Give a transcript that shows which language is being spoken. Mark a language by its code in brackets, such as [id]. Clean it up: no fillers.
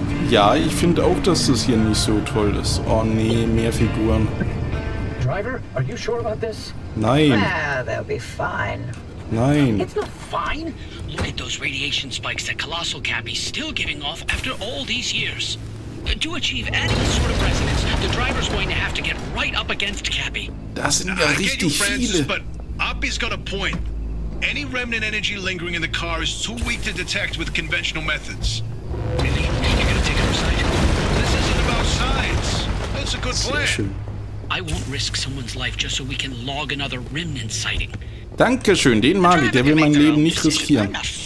[de] Ja, ich finde auch, dass das hier nicht so toll ist. Oh nee, mehr Figuren. [en] Driver, are you sure about this? [de] Nein. [en] Ah, they'll be fine. [de] Nein. [en] It's not fine. Look at those radiation spikes that Colossal Cappy's still giving off after all these years. To achieve any sort of resonance, the driver's going to have to get right up against Cappy. [de] Das sind ja richtig viele. [en] But Oppie's got a point. Any remnant energy lingering in the car is too weak to detect with conventional methods. Really? You're gonna take our side? This isn't about sides. That's a good plan. [de] Schön. [en] I won't risk someone's life just so we can log another remnant sighting. [de] Dankeschön, den mag ich. Der will mein Leben nicht riskieren.